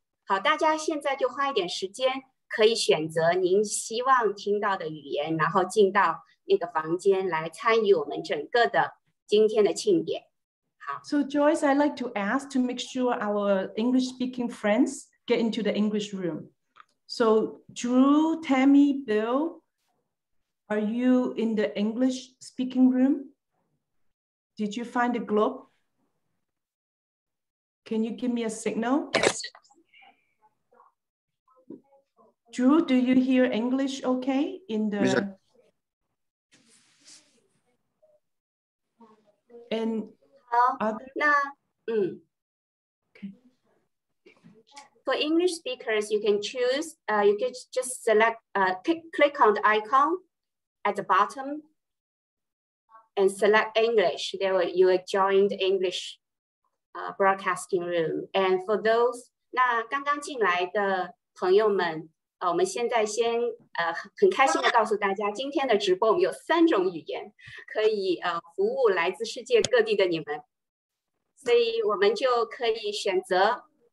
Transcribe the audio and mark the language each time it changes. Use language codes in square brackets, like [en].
[zh] 好，大家现在就花一点时间，可以选择您希望听到的语言，然后进到那个房间来参与我们整个的今天的庆典。好 [en] ，So Joyce, I'd like to ask to make sure our English-speaking friends get into the English room. So Drew, Tammy, Bill, are you in the English-speaking room? Did you find the globe? Can you give me a signal? Yes. Drew, do you hear English okay in the... Yes, and [zh] 好，那 [en] Okay. For English speakers, you can choose, you can just select, click on the icon at the bottom and select English. There you will join the English broadcasting room. And for those, [zh] 那刚刚进来的朋友们我们现在先很开心的告诉大家，今天的直播我们有三种语言可以服务来自世界各地的你们，所以我们就可以选择